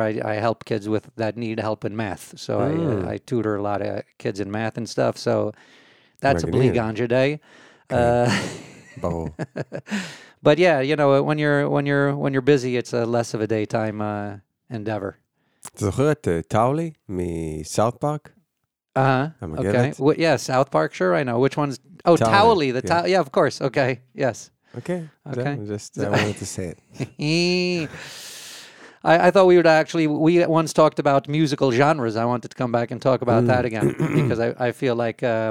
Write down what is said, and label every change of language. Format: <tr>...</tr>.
<en>I help kids with that need help in math, so I tutor a lot of kids in math and stuff, so that's a bleak ganja day. But yeah, you know, when you're busy, it's a less of a daytime endeavor.</en> <he>זוכר את טאולי מסאוט פארק?</he> <en>Okay. Yeah, סאוט פארק, sure, I know. Which one's... Oh, טאולי. Yeah, of course. Okay, yes. Okay. Okay. I wanted to say it. I thought we once talked about musical genres. I wanted to come back and talk about that again, because I feel like...</en>